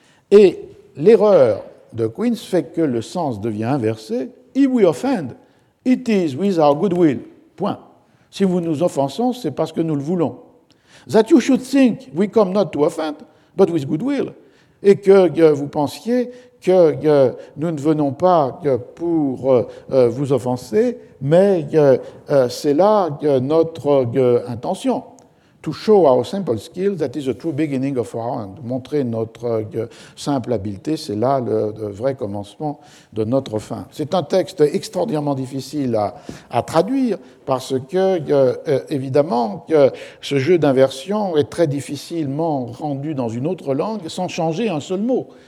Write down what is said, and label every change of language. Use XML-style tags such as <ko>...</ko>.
<fr>Et l'erreur de Quince fait que le sens devient inversé.</fr> <en>If we offend, it is with our good will.</en> <fr>Point. Si vous nous offensons, c'est parce que nous le voulons.</fr> <en>That you should think we come not to offend, but with good will.</en> <fr>Et que vous pensiez que nous ne venons pas pour vous offenser, mais c'est là notre intention.</fr> <en>To show our simple skill, that is the true beginning of our end.</en> <fr>Montrer notre simple habileté, c'est là le vrai commencement de notre fin. C'est un texte extraordinairement difficile à traduire, parce que, évidemment, ce jeu d'inversion est très difficilement rendu dans une autre langue sans changer un seul mot.</fr>